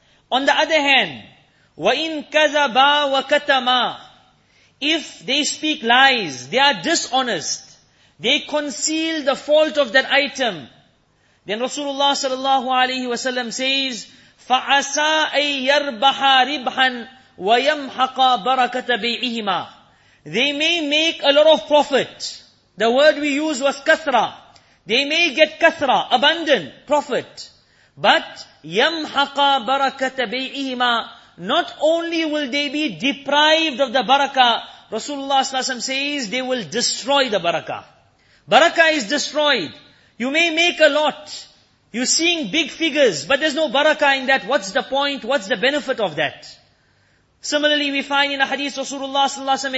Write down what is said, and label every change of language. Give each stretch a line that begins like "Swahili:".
English: On the other hand,
Arabic: وَإِن كَذَبَا وَكَتَمَا,
English: if they speak lies, they are dishonest, they conceal the fault of that item, then Rasulullah sallallahu alaihi wasallam says,
Arabic: فَعَسَىٰ أَن يَرْبَحَا رِبْحًا وَيَمْحَقَ بَرَكَةَ بَيْعِهِمَا.
English: They may make a lot of profit. The word we use was kathra. They may get kathra, abundant profit. But
Arabic: يَمْحَقَ بَرَكَةَ بَيْعِهِمَا.
English: Not only will they be deprived of the barakah, Rasulullah sallallahu alaihi wasallam says, they will destroy the barakah. Barakah is destroyed. You may make a lot, You're seeing big figures, but there's no barakah in that. What's the point? What's the benefit of that? Similarly, we find in a hadith Rasulullah s.a.w.